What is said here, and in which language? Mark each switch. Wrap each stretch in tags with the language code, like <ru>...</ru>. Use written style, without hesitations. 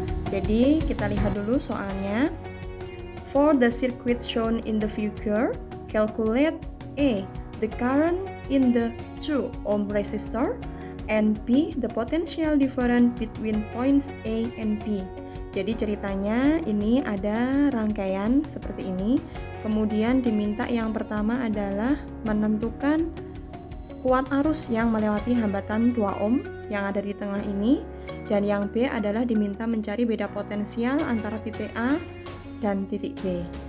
<id>Jadi kita lihat dulu soalnya.</id> <en>For the circuit shown in the figure, calculate A, the current in the 2 ohm resistor, and B, the potential difference between points A and B.</en> <id>Jadi ceritanya ini ada rangkaian seperti ini. Kemudian diminta yang pertama adalah menentukan kuat arus yang melewati hambatan 2 ohm yang ada di tengah ini. Dan yang B adalah diminta mencari beda potensial antara titik A dan titik B.</id>